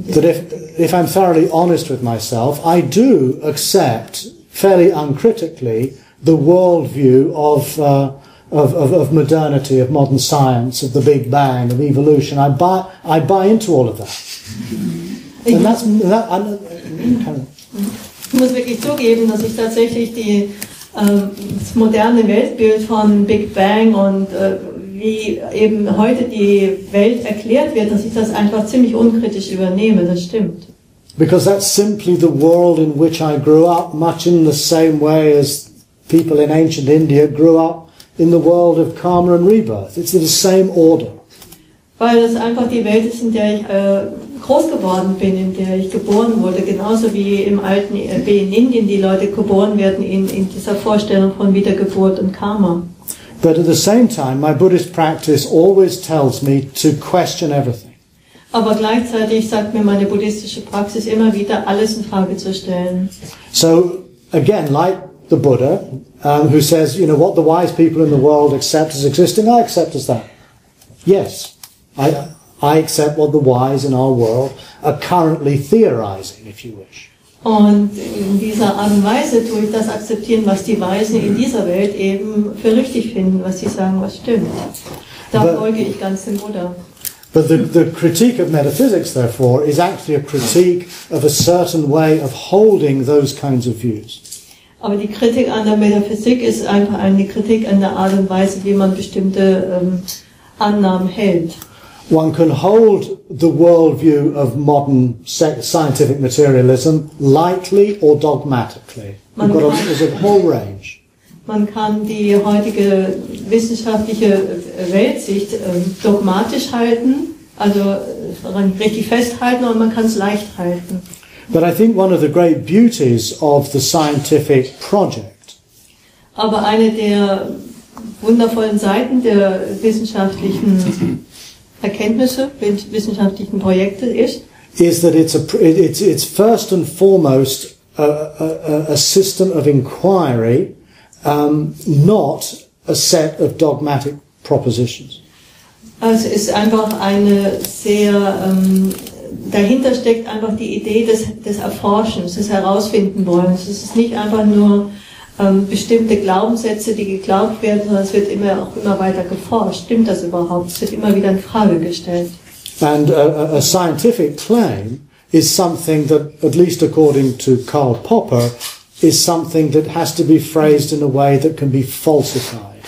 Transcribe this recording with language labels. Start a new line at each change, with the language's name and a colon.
English: But if I'm thoroughly honest with myself, I do accept fairly uncritically the worldview of modernity, of modern science, of the Big Bang, of evolution. I buy into all of that.
German: And ich muss wirklich zugeben, dass ich tatsächlich das moderne Weltbild von Big Bang und wie eben heute die Welt erklärt wird, dass ich das einfach ziemlich unkritisch übernehme. Das stimmt.
English: Because that's simply the world in which I grew up, much in the same way as people in ancient India grew up in the world of karma and rebirth. It's in the same order.
German: Weil das einfach die Welt ist, in der ich groß geworden bin, in der ich geboren wurde, genauso wie im alten in Indien die Leute geboren werden in dieser Vorstellung von Wiedergeburt und Karma.
English: But at the same time, my Buddhist practice always tells me to question everything.
German: Aber gleichzeitig sagt mir meine buddhistische Praxis immer wieder, alles in Frage zu stellen.
English: So again, like the Buddha, who says, you know, what the wise people in the world accept as existing, I accept as that. Yes, I accept what the wise in our world are currently theorizing, if you wish.
German: Und in dieser Art und Weise tue ich das akzeptieren, was die Weisen in dieser Welt eben für richtig finden, was sie sagen, was stimmt. Da folge ich ganz dem Buddha.
English: But the critique of metaphysics, therefore, is actually a critique of a certain way of holding those kinds of views.
German: Aber die Kritik an der Metaphysik ist einfach eine Kritik an der Art und Weise, wie man bestimmte Annahmen hält.
English: One can hold the worldview of modern scientific materialism lightly or dogmatically. There's a whole range.
German: Man kann die heutige wissenschaftliche Weltsicht dogmatisch halten, also richtig festhalten, und man kann es leicht halten.
English: But I think one of the great beauties of the scientific project.
German: Aber eine der wundervollen Seiten der wissenschaftlichen Erkenntnisse, wissenschaftlichen Projekte ist.
English: Is that it's first and foremost a system of inquiry, not a set of dogmatic propositions.
German: Also es ist einfach eine sehr dahinter steckt einfach die Idee des Erforschens, des herausfinden wollen. Es ist nicht einfach nur bestimmte Glaubenssätze, die geglaubt werden, sondern es wird immer weiter geforscht. Stimmt das überhaupt? Es wird immer wieder in Frage gestellt.
English: And a scientific claim is something that, at least according to Karl Popper, is something that has to be phrased in a way that can be falsified.